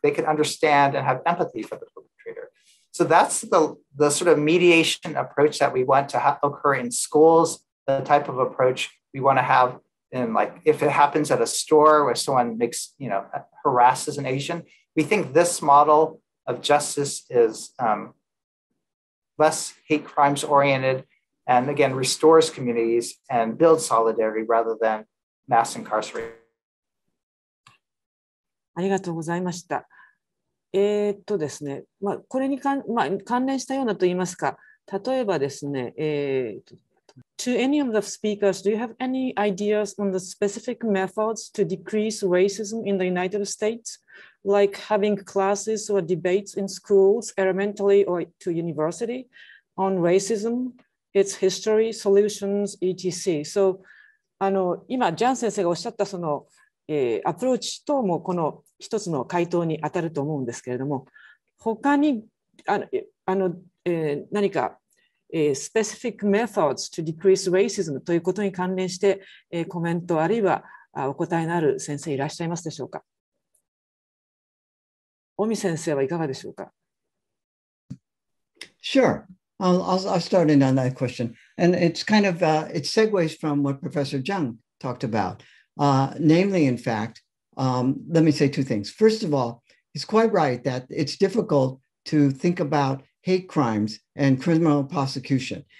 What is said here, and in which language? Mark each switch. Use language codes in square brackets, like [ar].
[en] They can understand and have empathy for the perpetrator. So that's the sort of mediation approach that we want to occur in schools, the type of approach we want to have in, like, if it happens at a store where someone makes, you know, harasses an Asian, we think this model of justice is less hate crimes oriented, and again, restores communities and builds solidarity rather than mass incarceration. [ja] ありがとうございました。ですね、まあ、これに関、まあ、関連したようなと言いますか、例えばですね、 [en] To any of the speakers, do you have any ideas on the specific methods to decrease racism in the United States, like having classes or debates in schools, elementary or to university, on racism, its history, solutions, etc. [ja] So, 今、ジャン先生がおっしゃったその、アプローチ等もこの一つの回答に当たると思うんですけれども、他に何か [en] specific methods to decrease racism [ja] ということに関連してコメントあるいはお答えのある先生いらっしゃいますでしょうか。尾身先生はいかがでしょうか。 [en] Sure, I'll start in on that question, and it's kind of it segues from what Professor Jeung talked about. Namely, in fact, let me say two things. First of all, he's quite right that it's difficult to think about hate crimes and criminal prosecution.